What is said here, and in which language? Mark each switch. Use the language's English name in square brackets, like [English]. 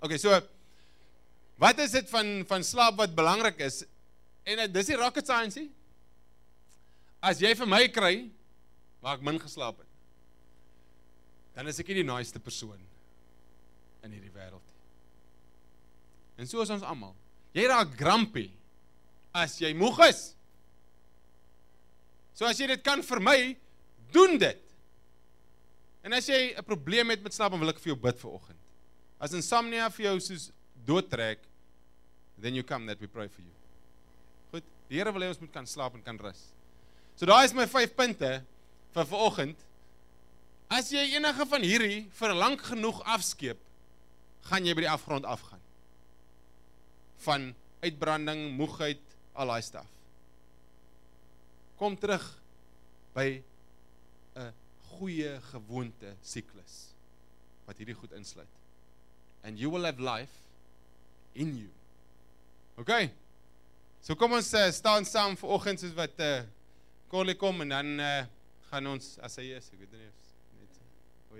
[Afrikaans] Okay, so, wat is dit van slaap wat belangrijk is? En dit is die rocket science, he? As jy vir my kry, waar ek min geslaap het, dan is ek nie die naaste persoon in hierdie wêreld. En so is ons allemaal. Jy raak grumpy as jy moeg is. So as jy dit kan vermy, doen dit. En as jy 'n probleem het met slaap, dan wil ek vir jou bid vanoggend. As insomnia vir jou soos doodtrek, [English] then you come that we pray for you. [Afrikaans] Goed, die Here wil hê ons moet kan slaap en kan rus. So daar is my 5 punte vir vanoggend. As jy enige van hierdie vir lank genoeg afskeep, gaan jy by die afgrond afgaan. Van uitbranding, moegheid, al daai staf. Kom terug by 'n goeie gewoonte siklus wat hierdie goed insluit. [English] And you will have life in you. OK? [Afrikaans] So kom ons staan saam vir oggend soos wat Corley kom en dan gaan ons, as hy is, ek weet nie of net so.